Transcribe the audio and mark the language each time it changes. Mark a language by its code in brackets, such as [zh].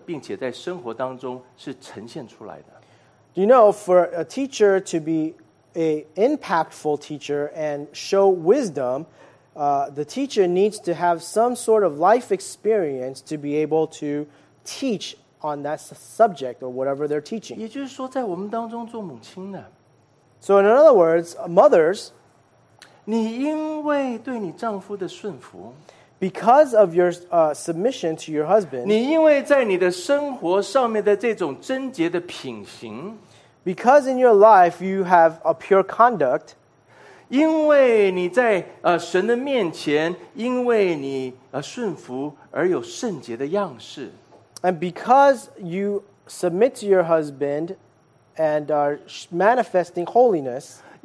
[zh] 一个老师要能够有影响力，要能够让人家看见你的智慧，一定是要因为你对你所指教的这个题目，或者是你所做的教导是有历练过的，并且在生活当中是呈现出来的。 [en] Do you know, for a teacher to be an impactful teacher and show wisdom, the teacher needs to have some sort of life experience to be able to teach on that subject or whatever they're teaching. [zh] 也就是说在我们当中做母亲的。 [en] So in other words, mothers, [zh] 你因为对你丈夫的顺服, [en] because of your submission to your husband, [zh] 你因为在你的生活上面的这种贞洁的品行, [en] because in your life you have a pure conduct, [zh] 因为你在, 神的面前, 因为你, 顺服而有圣洁的样式, [en] and because you submit to your husband and are manifesting holiness,